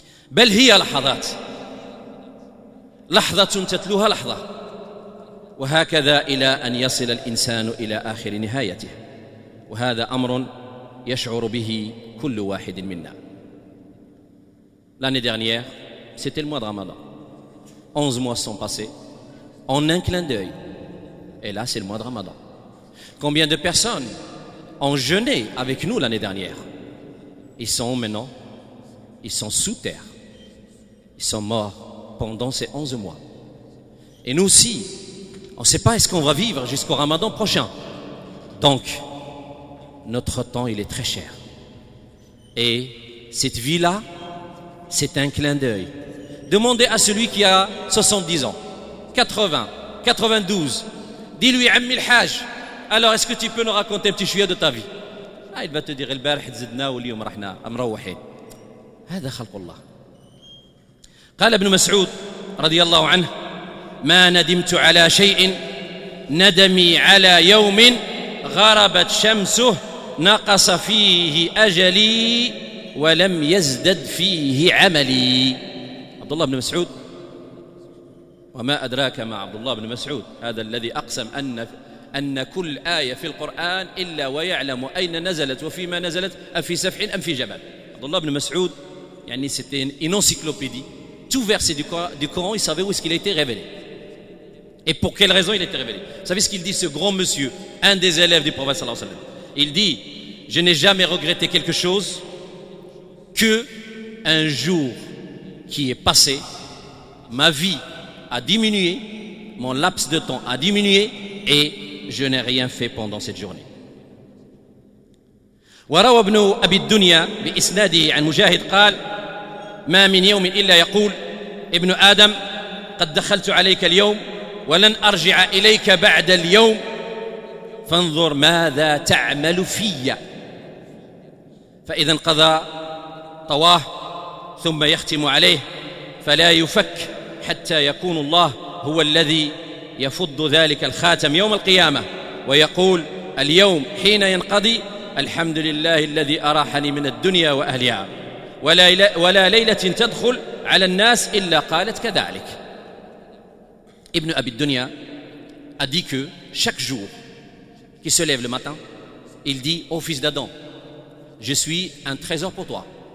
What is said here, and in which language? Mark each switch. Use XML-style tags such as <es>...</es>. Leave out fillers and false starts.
<ar>بل هي لحظات لحظة تتلوها لحظة وهكذا إلى أن يصل الإنسان إلى آخر نهايته وهذا أمر يشعر به كل واحد منا</ar> <fr>L'année dernière, c'était le mois de Ramadan. 11 mois sont passés en un clin d'œil. Et là, c'est le mois de Ramadan. Combien de personnes ont jeûné avec nous l'année dernière? Ils sont maintenant, ils sont sous terre. Ils sont morts pendant ces 11 mois. Et nous aussi, on ne sait pas est-ce qu'on va vivre jusqu'au Ramadan prochain. Donc, notre temps, il est très cher. Et cette vie-là, c'est un clin d'œil. Demandez à celui qui a 70 ans, 80, 92. Dis-lui, Ammi al-Hajj, Alors, est-ce que tu peux nous raconter un petit chouïa de ta vie ? Ah, il va te dire,</fr> <ar>البارح تزدنا واليوم رحنا مروحين. هذا خلق الله. قال ابن مسعود رضي الله عنه: ما ندمت على شيء ندمي على يوم غربت شمسه نقص فيه أجلي ولم يزدد فيه عملي. عبد الله بن مسعود، وما أدراك ما عبد الله بن مسعود، هذا الذي أقسم أن كل آية في القرآن إلا ويعلم أين نزلت وفيما نزلت، أم في سفح أم في جبل. عبد الله بن مسعود يعني ستين إنسيكلوبيدي</ar> <fr>tout verset du Coran, il savait où est-ce qu'il a été révélé et pour quelle raison il a été révélé. Vous savez ce qu'il dit, ce grand monsieur, un des élèves du prophète sallallahu alayhi wa sallam? Il dit: je n'ai jamais regretté quelque chose que un jour qui est passé, ma vie a diminué, mon laps de temps a diminué et je n'ai rien fait pendant cette journée.</fr> <ar>وروى ابن ابي الدنيا باسناده عن مجاهد قال: ما من يوم إلا يقول ابن آدم: قد دخلت عليك اليوم ولن أرجع إليك بعد اليوم، فانظر ماذا تعمل في. فإذا انقضى طواه ثم يختم عليه فلا يفك حتى يكون الله هو الذي يفض ذلك الخاتم يوم القيامة ويقول اليوم حين ينقضي: الحمد لله الذي أراحني من الدنيا وأهلها، ولا ليلة تدخل على الناس إلا قالت كذلك.</ar> <fr>ابن أبي الدنيا a dit que chaque jour qui se lève le matin, il dit: ô fils d'Adam, je suis un trésor pour toi.</fr>